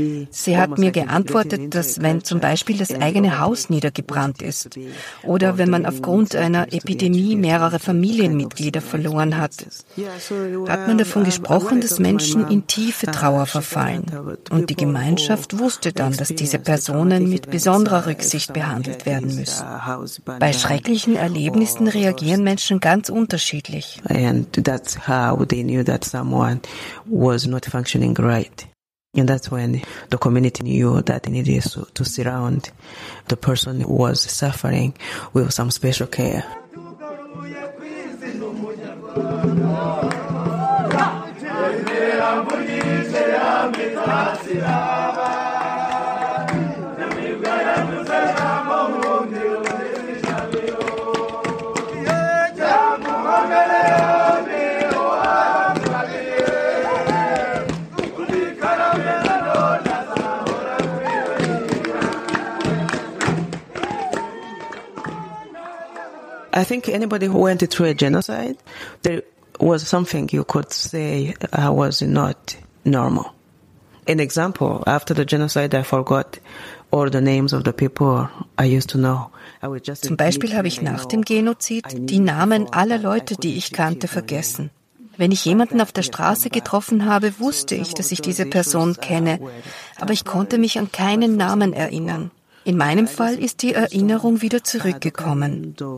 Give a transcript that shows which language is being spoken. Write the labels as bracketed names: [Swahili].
[German] Sie hat mir geantwortet, dass wenn zum Beispiel das eigene Haus niedergebrannt ist oder wenn man aufgrund einer Epidemie mehrere Familienmitglieder verloren hat, hat man davon gesprochen, dass Menschen in tiefe Trauer verfallen und die Gemeinschaft wusste dann, dass diese Personen mit besonderer Rücksicht behandelt werden müssen. Bei schrecklichen Erlebnissen reagieren Menschen ganz unterschiedlich. [English] And that's how they knew that someone was not functioning right. And that's when the community knew that it needed to surround the person who was suffering with some special care. I think anybody who went through a genocide, there was something you could say was not normal. An example, after the genocide, I forgot all the names of the people I used to know. [German] Zum Beispiel habe ich nach dem Genozid die Namen aller Leute, die ich kannte, vergessen. Wenn ich jemanden auf der Straße getroffen habe, wusste ich, dass ich diese Person kenne, aber ich konnte mich an keinen Namen erinnern. In meinem Fall ist die Erinnerung wieder zurückgekommen.